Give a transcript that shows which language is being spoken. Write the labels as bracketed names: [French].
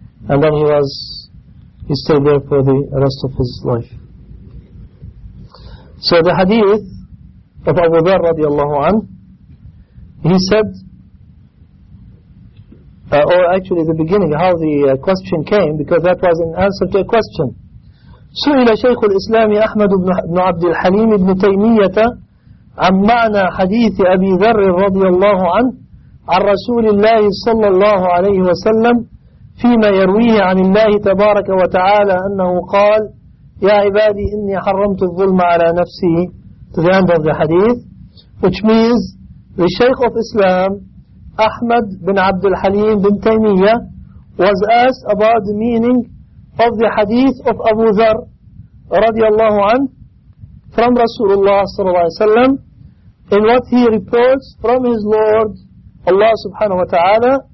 [English] And then he stayed there for the rest of his life. So the hadith of Abu Dharr radiallahu anhu, he said, or actually the beginning, how the question came, because that was an answer to a question. [Arabic] سئل شيخ الإسلام أحمد بن عبد الحليم بن تيمية عن معنى حديث أبي ذر رضي الله عنه عن رسول الله صلى الله عليه وسلم فيما يرويه عن الله تبارك وتعالى أنه قال يا عبادي إني حرمت الظلم على نفسي. [English] To the end of the hadith, which means the Shaykh of Islam Ahmad bin Abd al-Halim bin Taymiyyah was asked about the meaning of the hadith of Abu Dharr radiallahu anhu from Rasulullah sallallahu alayhi wa sallam, in what he reports from his Lord Allah subhanahu wa ta'ala,